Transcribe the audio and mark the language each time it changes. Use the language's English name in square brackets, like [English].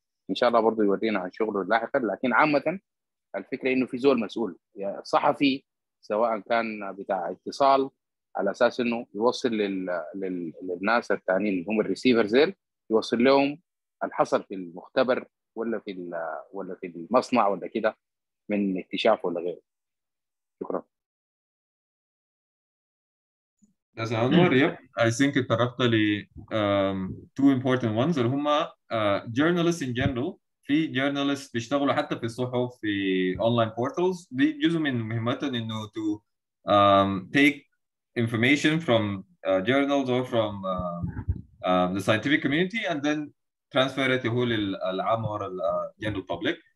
[Arabic] ان شاء الله برضو يورينا عن شغله لاحقا, لكن عامه الفكره انه في زول مسؤول صحفي, سواء كان بتاع اتصال على اساس انه يوصل للناس الثانيين اللي هم الريسيفرز, يوصل لهم الحصل في المختبر ولا في المصنع ولا كده من اكتشاف ولا غيره. شكرا. [English] That's another. Yep, I think it referred to two important ones. [Arabic] اللي هما [English] journalists in general. [Arabic] في journalists بيشتغلوا حتى في الصحف, في [English] online portals. [Arabic] دي جزء من مهمتهم إنه [English] to take information from journals or from the scientific community and then transfer it to [Arabic] العام [English] or general public.